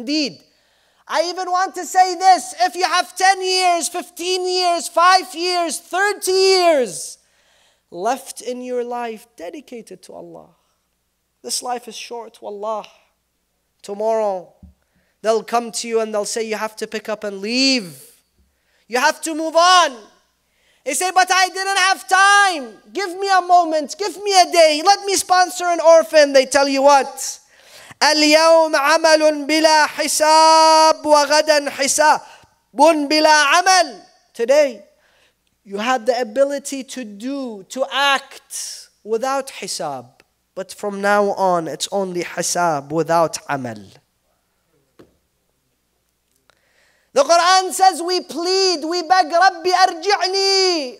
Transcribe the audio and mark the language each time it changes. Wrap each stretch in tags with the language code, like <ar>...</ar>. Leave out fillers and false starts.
<en>Indeed, I even want to say this, if you have 10 years, 15 years, 5 years, 30 years left in your life dedicated to Allah. This life is short, wallah. Tomorrow, they'll come to you and they'll say you have to pick up and leave. You have to move on. They say, but I didn't have time. Give me a moment. Give me a day. Let me sponsor an orphan. They tell you what?</en> <ar>اليوم عمل بلا حساب وغدا حساب بلا عمل.</ar> <en>Today, you have the ability to do, to act without حساب. But from now on, it's only حساب without عمل. The Quran says, we plead, we beg,</en> <ar>Rabbi arji'ni.</ar>